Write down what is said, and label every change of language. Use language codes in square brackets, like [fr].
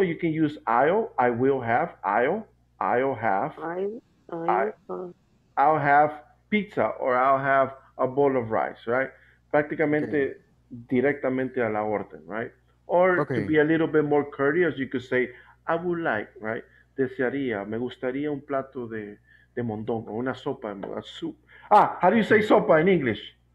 [en] You can use I'll have pizza, or I'll have a bowl of rice, right? [es] Prácticamente, directamente a la orden, right? [en] Or to be a little bit more courteous, you could say, I would like, right? [es] Desearía, me gustaría un plato de mondongo, una sopa, [en] a soup. Ah, how do you say sopa in English?